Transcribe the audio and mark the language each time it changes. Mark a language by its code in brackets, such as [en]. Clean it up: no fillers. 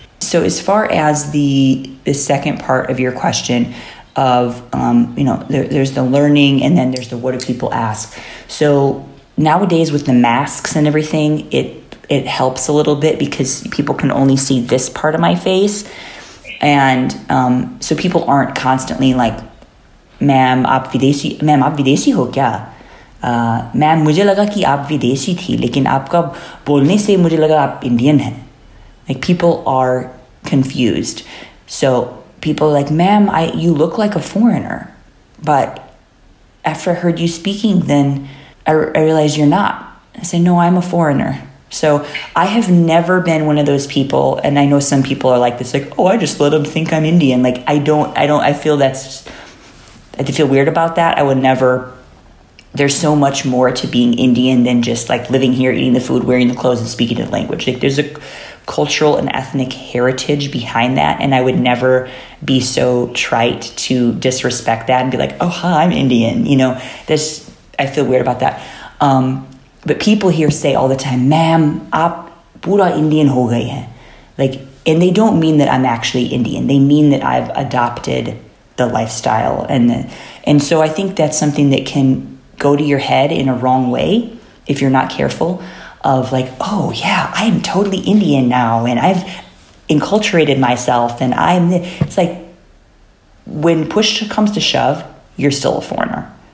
[en] So as far as the second part of your question of, you know, there's the learning and then there's the, what do people ask? So nowadays with the masks and everything, it helps a little bit because people can only see this part of my face. And so people aren't constantly like, ma'am, [hi] aap videshi ho kya? Ma'am, मुझे लगा कि आप विदेशी थी, लेकिन आपका बोलने से मुझे लगा आप इंडियन है। [en] Like, people are confused. So people are like, ma'am, you look like a foreigner. But after I heard you speaking, then I realized you're not. I said, no, I'm a foreigner. So I have never been one of those people. And I know some people are like this, like, oh, I just let them think I'm Indian. Like, I feel weird about that. I would never. There's so much more to being Indian than just like living here, eating the food, wearing the clothes, and speaking the language. Like, there's a cultural and ethnic heritage behind that. And I would never be so trite to disrespect that and be like, oh, hi, I'm Indian. You know, I feel weird about that. But people here say all the time, ma'am, [hi] आप पूरा Indian हो गए हैं। [en] Like, and they don't mean that I'm actually Indian. They mean that I've adopted the lifestyle. And so I think that's something that can go to your head in a wrong way if you're not careful, of like, oh yeah, I am totally Indian now and I've enculturated myself and it's like, when push comes to shove, you're still a foreigner.